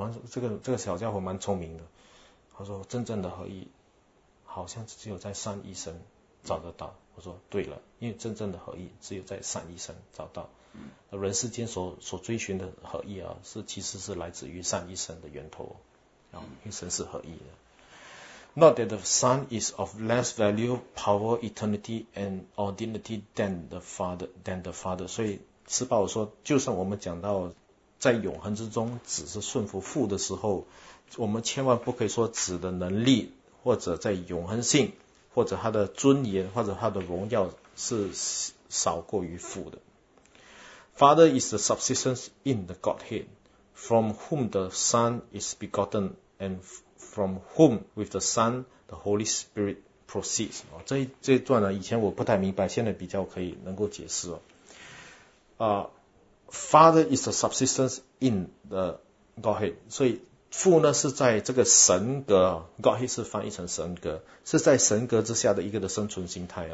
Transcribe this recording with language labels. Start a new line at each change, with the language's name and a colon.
Chinese: 这个小家伙蛮聪明的，他说真正的合一好像只有在三一神找得到。我说对了，因为真正的合一只有在三一神找到。人世间所追寻的合一其实是来自于三一神的源头，因为神是合一的。
English: Not that the Son is of less value, power, eternity, and ordinity than the Father.
Chinese: 所以施巴我说，就算我们讲到在永恒之中只是顺服父的时候，我们千万不可以说子的能力或者在永恒性或者他的尊严或者他的荣耀是少过于父的。
English: Father is the subsistence in the Godhead, from whom the Son is begotten, and from whom with the Son the Holy Spirit proceeds.
Chinese: 这一段呢，以前我不太明白，现在比较可以能够解释。
English: Father is the subsistence in the Godhead,
Chinese: 所以父呢是在这个神格 ，Godhead 是翻译成神格，是在神格之下的一个的生存形态。